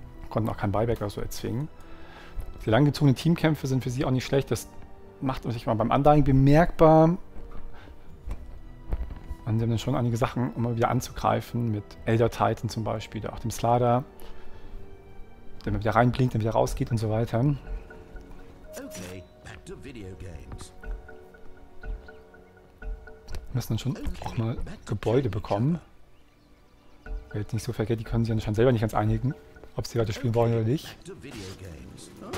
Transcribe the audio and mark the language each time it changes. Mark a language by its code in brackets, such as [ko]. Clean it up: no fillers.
[de] Konnten auch keinen Buyback oder so erzwingen. Die langgezogenen Teamkämpfe sind für sie auch nicht schlecht. Das macht sich mal beim Undying bemerkbar. Und sie haben dann schon einige Sachen, um mal wieder anzugreifen. Mit Elder Titan zum Beispiel, auch dem Slaughter. Der mal wieder reinblinkt, dann wieder rausgeht und so weiter. [en] Okay, back to video games. [de] Wir müssen dann schon auch mal Gebäude bekommen. Wer jetzt nicht so vergeht, die können sich anscheinend selber nicht ganz einigen, ob sie weiter spielen wollen oder nicht. [en] Back to video games.